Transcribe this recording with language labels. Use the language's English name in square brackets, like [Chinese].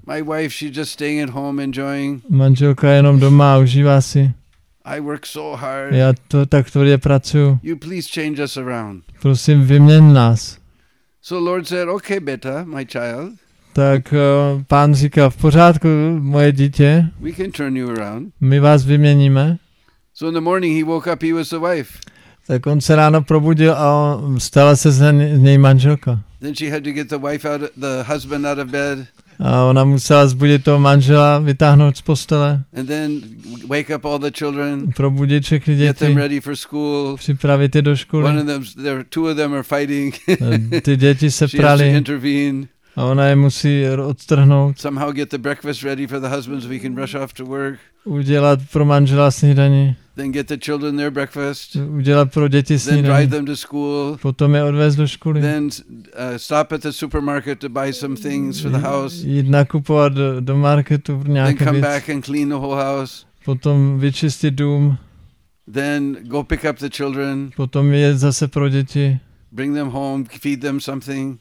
[English] My wife, she's just staying at home enjoying. [Czech] Manželka jenom doma, užívá si. [English] I work so hard. [Czech] Já to tak tvrdě pracuji. [English] You please change us around. [Czech] Prosím, vyměň nás. [English] So Lord said, okay, beta, my child. [Czech] Tak pán říká, v pořádku, moje dítě, [English] we can turn you around. [Czech] My vás vyměníme. [English] So in the morning he woke up, he was the wife. [Czech] Tak on se ráno probudil a stala se z něj manželka. [English] Then she had to get the wife out of, the husband out of bed. [Czech] A ona musela zbudit toho manžela, vytáhnout z postele. [English] And then wake up all the children, [Czech] probudit všechny děti, [English] get them ready for school. [Czech] Připravit je do školy. [English] One of them, there, two of them are fighting. [Czech] Ty děti se prali. [English] She has to intervene. [Czech] A ona je musí odtrhnout. [English] Somehow get the breakfast ready for the husband so he can rush off to work. [Czech] Udělat pro manžela snídaní. [English] Then get the children their breakfast. [Czech] Udělat pro děti snídaní. [English] Then drive them to school. [Czech] Potom je odvez do školy. [English] Then stop at the supermarket to buy some things for the house. [Czech] Jít nakupovat do marketu nějaké věci. [English] Then come back and clean the whole house. [Czech] Potom vyčistit dům. [English] Then go pick up the children. [Czech] Potom jet zase pro děti. [English] Bring them home, feed them something.